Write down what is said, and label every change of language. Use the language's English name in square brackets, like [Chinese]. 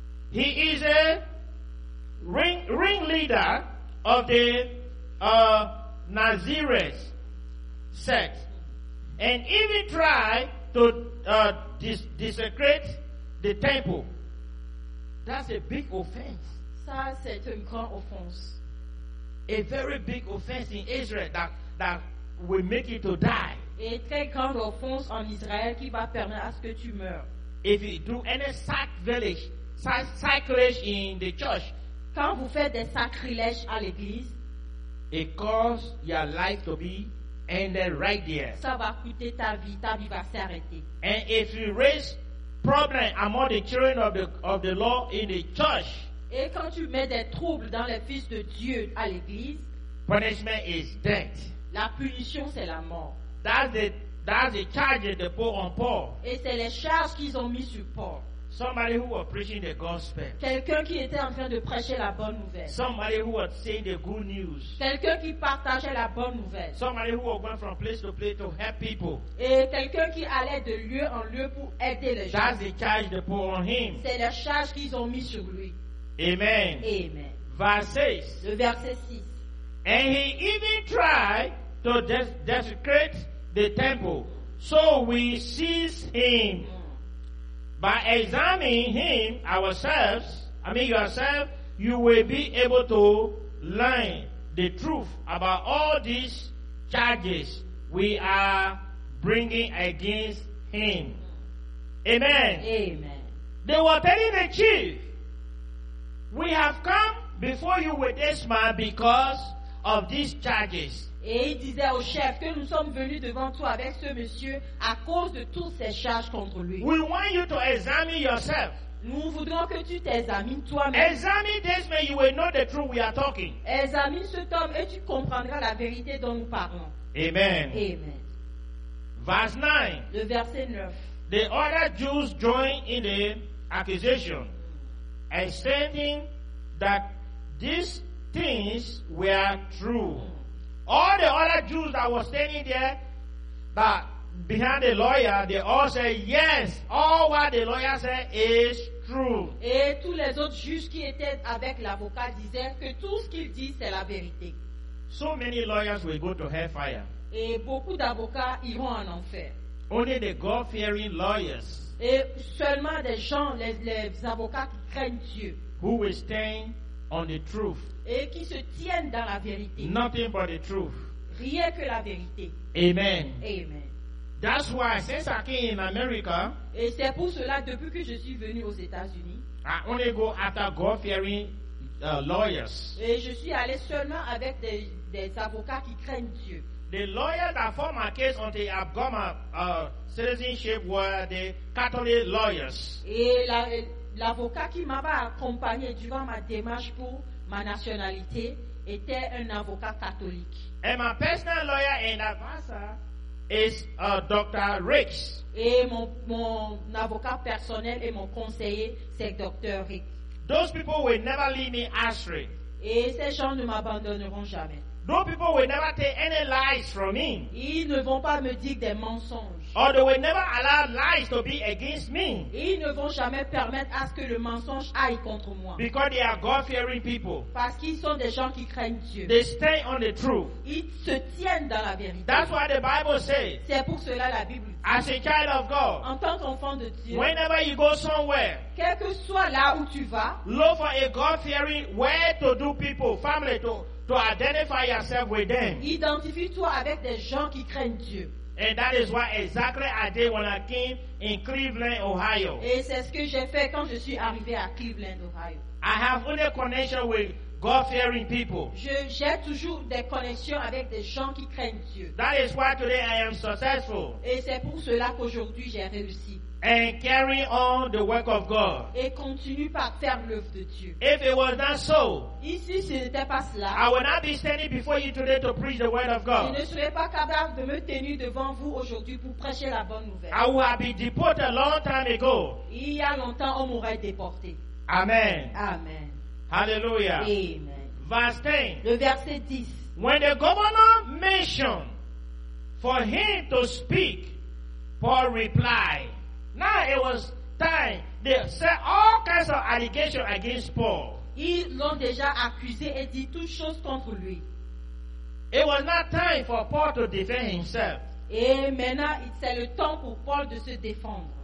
[English] He is a ringleader of the Nazirites sect, and even tried to desecrate the temple. That's a big offense. [French] Ça, c'est une grande offense. [English] A very big offense in Israel that will make you to die. [French] Et très grande offense en Israël qui va permettre à ce que tu meurs. [English] If you do any sacrilege in the church, [French] quand vous faites des sacrilèges à l'église, [English] it causes your life to be ended right there. [French] Ça va coûter ta vie va s'arrêter. [English] And if you raise problems among the children of the Lord in the church, [French] et quand tu mets des troubles dans les fils de Dieu à l'église, [English] punishment is death. [French] La punition, c'est la mort. [English] That's the charge they put on Paul. [French] Et c'est les charges qu'ils ont mis sur Paul. [English] Somebody who was preaching the gospel. [French] Quelqu'un qui était en train de prêcher la bonne nouvelle. [English] Somebody who was saying the good news. [French] Quelqu'un qui partageait la bonne nouvelle. [English] Somebody who was going from place to place to help people. [French] Et quelqu'un qui allait de lieu en lieu pour aider les gens. [English] That's the charge they put on him. [French] C'est les charges qu'ils ont mis sur lui. [English] Amen. [French] Amen. [English] Verse 6. And he even tried to desecrate the temple. So we seize him by examining him ourselves. I mean yourself, you will be able to learn the truth about all these charges we are bringing against him. Amen. Amen. They were telling the chief, we have come before you with this man because of these charges. [French] Et il disait au chef que nous sommes venus devant toi avec ce monsieur à cause de toutes ces charges contre lui. [English] We want you to examine yourself. [French] Nous voudrons que tu t'examines toi-même. [English] Examine this man, you will know the truth we are talking. [French] Examine cet homme et tu comprendras la vérité dont nous parlons. [English] Amen. [French] Amen. [English] Verse 9. [French] Le verset 9. [English] The other Jews join in the accusation, extending that these things were true. All the other Jews that were standing there, that behind the lawyer, they all said, yes, all what the lawyer said is true. [French] Et tous les autres juges qui étaient avec l'avocat disaient que tout ce qu'il dit, c'est la vérité. [English] So many lawyers will go to hellfire. [French] Et beaucoup d'avocats iront en enfer. [English] Only the God-fearing lawyers. [French] Et seulement des gens, les avocats qui craignent Dieu. [English] Who will stand on the truth. [French] Et qui se tiennent dans la vérité. [English] Nothing but the truth. [French] Rien que la vérité. [English] Amen. [French] Amen. [English] That's why since I came in America. [French] Et c'est pour cela depuis que je suis venu aux États-Unis. [English] I only go after God-fearing lawyers. [French] Et je suis allé seulement avec des avocats qui craignent Dieu. [English] The lawyers that fought my case until I got my citizenship were the Catholic lawyers. [French] Et l'avocat qui m'a accompagné durant ma démarche pour ma nationalité était un avocat catholique. [English] And my personal lawyer and advisor is Dr. Ricks. [French] Et mon avocat personnel et mon conseiller, c'est Dr. Ricks. [English] Those people will never leave me astray. [French] Et ces gens ne m'abandonneront jamais. [English] Those people will never take any lies from me. [French] Ils ne vont pas me dire des mensonges. [English] Or they will never allow lies to be against me. [French] Ils ne vont jamais permettre à ce que le mensonge aille contre moi. [English] Because they are God-fearing people. [French] Parce qu'ils sont des gens qui craignent Dieu. [English] They stay on the truth. [French] Ils se tiennent dans la vérité. [English] That's what the Bible says. [French] C'est pour cela la Bible dit. [English] As a child of God. [French] En tant qu'enfant de Dieu. [English] Whenever you go somewhere. [French] Quel que soit là où tu vas. [English] Look for a God-fearing way to do people, family to identify yourself with them. [French] Identifie-toi avec des gens qui craignent Dieu. [English] And that is what exactly I did when I came in Cleveland, Ohio. [French] Et c'est ce que j'ai fait quand je suis arrivé à Cleveland, Ohio. [English] I have only connection with God-fearing people. [French] J'ai toujours des connexions avec des gens qui craignent Dieu. [English] That is why today I am successful. [French] Et c'est pour cela qu'aujourd'hui j'ai réussi. [English] And carry on the work of God. [French] Et continue par faire l'œuvre de Dieu. [English] If it was not so, [French] ici ce n'était pas cela, [English] I would not be standing before you today to preach the word of God. [French] Je ne serais pas capable de me tenir devant vous aujourd'hui pour prêcher la bonne nouvelle. [English] I would have been deported a long time ago. [French] Il y a longtemps, on m'aurait déporté. [English] Amen. [French] Amen. Hallelujah. Amen. [English] Verse 10. [French] Le verset 10. [English] When the governor mentioned for him to speak, Paul replied. Now it was time they set all kinds of allegations against Paul. [French] Ils l'ont déjà accusé et dit toutes choses contre lui. [English] It was not time for Paul to defend himself. [French] Et maintenant, c'est le temps pour Paul de se défendre.